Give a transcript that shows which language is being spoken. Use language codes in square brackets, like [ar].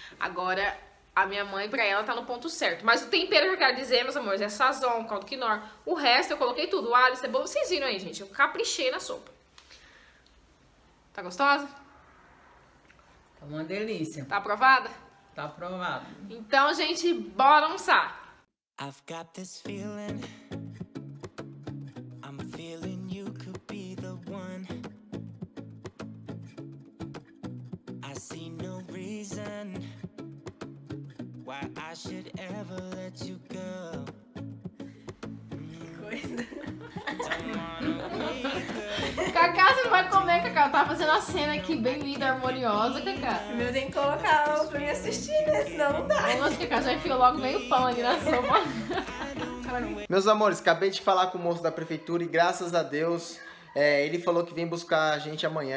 [pt] Agora, a minha mãe, pra ela, tá no ponto certo. Mas o tempero que eu quero dizer, meus amores, é Sazon, caldo quinoa. O resto eu coloquei tudo, o alho, cebola, vocês viram aí, gente. Eu caprichei na sopa. Tá gostosa? Tá uma delícia. Tá aprovada? Tá aprovado. Então, gente, bora almoçar. [en] I've got this feeling. I'm feeling you could be the one. I see no reason why I should ever let you go. [pt] Cacá, você não vai comer, Cacá. Eu tava fazendo a cena aqui, bem linda, harmoniosa, Cacá. Meu, tem que colocar algo pra me assistir, né? Senão não dá. Nossa, Cacá, já enfiou logo meio pão ali na sopa. Meus amores, acabei de falar com o moço da prefeitura e graças a Deus, ele falou que vem buscar a gente amanhã.